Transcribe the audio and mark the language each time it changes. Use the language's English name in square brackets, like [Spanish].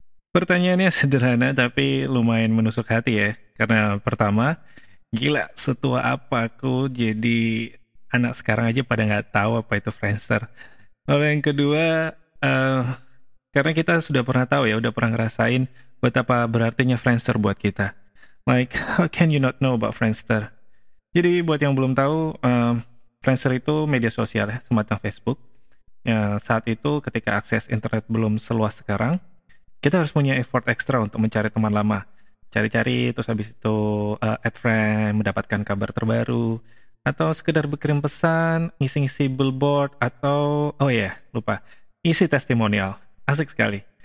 [Indonesian] Pertanyaannya sederhana tapi lumayan menusuk hati ya. Karena pertama, gila setua apa aku, jadi anak sekarang aja pada gak tahu apa itu Friendster. Lalu yang kedua, karena kita sudah pernah tahu ya, udah pernah ngerasain betapa berartinya Friendster buat kita. [English] Like, how can you not know about Friendster? [Indonesian] Jadi buat yang belum tahu, Friendster itu media sosial ya, semacam Facebook. Ya, saat itu ketika akses internet belum seluas sekarang, kita harus punya effort ekstra untuk mencari teman lama. Cari-cari, terus habis itu add friend, mendapatkan kabar terbaru, atau sekedar berkirim pesan, ngisi-ngisi billboard, atau, isi testimonial. Asik sekali.